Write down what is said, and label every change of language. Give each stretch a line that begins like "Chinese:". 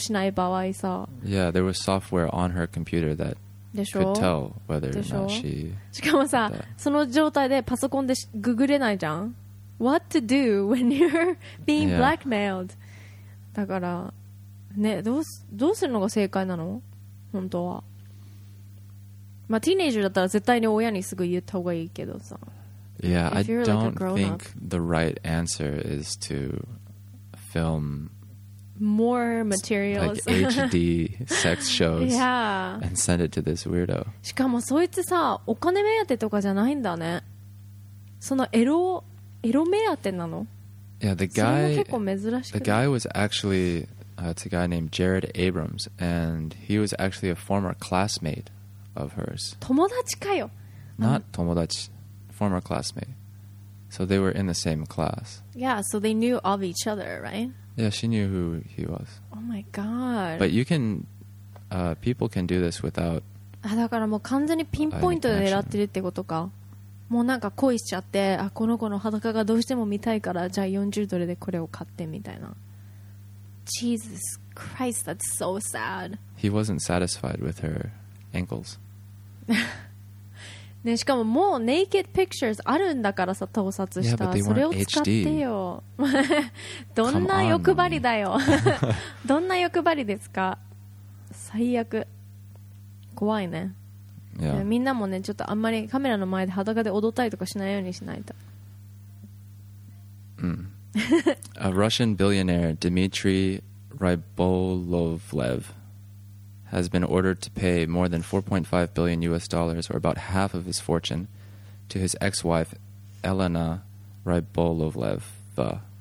English: Yeah, there was software on her computer that could tell whether or not she...
Japanese: しかもさ、その状態でパソコンでググれないじゃん?
English: What to do when you're being blackmailed?
Japanese: だから、ね、どうするのが正解なの?本当は。まあ、ティーネイジャーだったら絶対に親にすぐ言った方がいいけどさ。
English: Yeah, I don't think the right answer is to... film more materials like HD sex shows and send it to this weirdo.
Japanese: しかもそいつさ、お金目当てとかじゃないんだね。そのエロ目当てなの?
English: Yeah, the guy.
Japanese: それも結構珍しくない?
English: The guy was actually it's a guy named Jared Abrams, and he was actually a former classmate of hers.
Japanese: 友達かよ。
English: Not 友達, former classmate. So they were in the same class. Yeah, so they knew of each other, right? Yeah, she knew who he was. Oh my god. But you can... people can do this without...
Japanese: だからもう完全にピンポイントで狙ってるってことか。もうなんか恋しちゃって、あ、この子の裸がどうしても見たいから、じゃあ40ドルでこれを買ってみたいな。
English: Jesus Christ, that's so sad. He wasn't satisfied with her ankles.
Japanese: ね、しかももう
English: ネイケッドピクチャーズ
Japanese: あるんだからさ、盗撮した、
English: yeah,
Japanese: それを使ってよどんな欲張りだよどんな欲張りですか、最悪、怖いね、
English: yeah.
Japanese: みんなもね、ちょっとあんまりカメラの前で裸で踊ったりとかしないようにしないと、
English: A Russian billionaire Dmitry Rybolovlev has been ordered to pay more than 4.5 billion US dollars, or about half of his fortune, to his ex-wife, Elena Rybolovleva,